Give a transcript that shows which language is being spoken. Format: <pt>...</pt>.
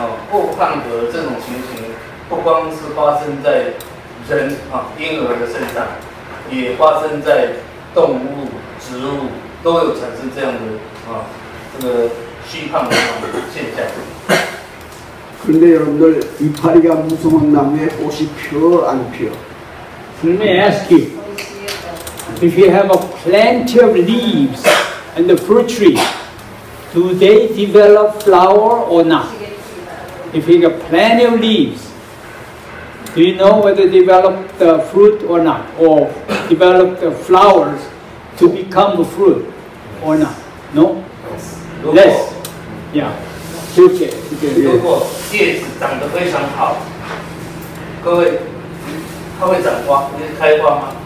<zh>过胖和这种情形不光是发生在人婴儿的身上也发生在动物植物都有产生这样的虚胖的现象</zh> <ko>그런데 여러분들 이파리가 무서운 나무에 꽃이 피어 안 피어?</ko> <en>Let me ask you. If you have a plenty of leaves and the fruit tree, do they develop flower or not? If you have plenty of leaves, do you know whether they develop the fruit or not? Or develop the flowers to become a fruit or not? No? Less. Yeah. Okay. Okay. Yeah.</en> <zh>如果叶子长得非常好，各位，它会长花，会开花吗？</zh>